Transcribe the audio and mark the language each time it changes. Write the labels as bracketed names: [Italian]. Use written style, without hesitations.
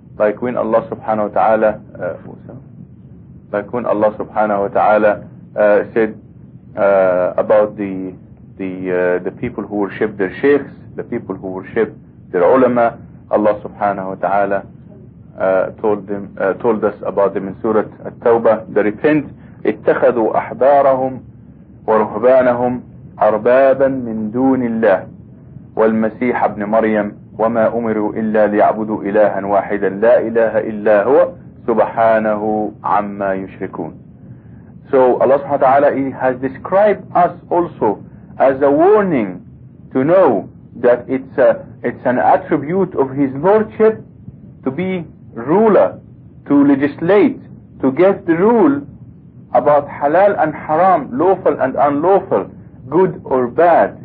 [English] Like when Allah subhanahu wa ta'ala said about the people who worship their sheikhs, the people who worship their ulama, Allah subhanahu wa ta'ala told us about them in Surah At-Tawbah. They repent. [Arabic] اتخذوا أحبارهم ورهبانهم أربابا من دون الله والمسيح ابن مريم وما أمروا إلا ليعبدوا إلها واحدا لا إله إلا هو سبحانه عما يشركون. [English] So Allah subhanahu wa ta'ala, He has described us also as a warning to know that it's an attribute of His Lordship to be ruler, to legislate, to get the rule about halal and haram, lawful and unlawful, good or bad.